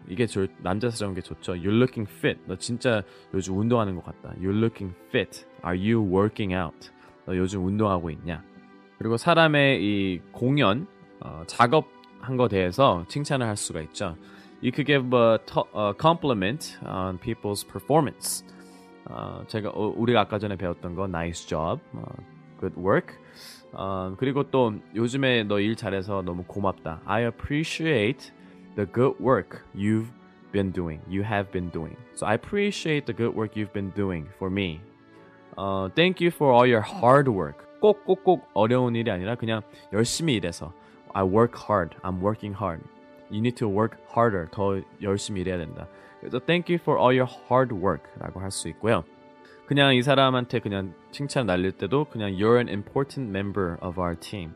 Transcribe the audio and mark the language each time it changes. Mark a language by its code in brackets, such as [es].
[ko] 이게 남자스러운 게 좋죠. [en] You're looking fit. [ko] 너 진짜 요즘 운동하는 것 같다. [en] You're looking fit. Are you working out? [ko] 너 요즘 운동하고 있냐? 그리고 사람의 이 공연, 작업한 거에 대해서 칭찬을 할 수가 있죠. [en] You could give a compliment on people's performance. [ko] 우리가 아까 전에 배웠던 거, [en] nice job, good work. [ko] 그리고 또 요즘에 너 일 잘해서 너무 고맙다. [en] I appreciate the good work you've been doing. You have been doing. So I appreciate the good work you've been doing for me. Thank you for all your hard work. [ko] 꼭 어려운 일이 아니라 그냥 열심히 일해서. [en] I work hard. I'm working hard. You need to work harder. [ko] 더 열심히 일해야 된다. 그래서 [en] thank you for all your hard work [ko] 라고 할 수 있고요. 그냥 이 사람한테 그냥 칭찬 날릴 때도 그냥 [en] you're an important member of our team.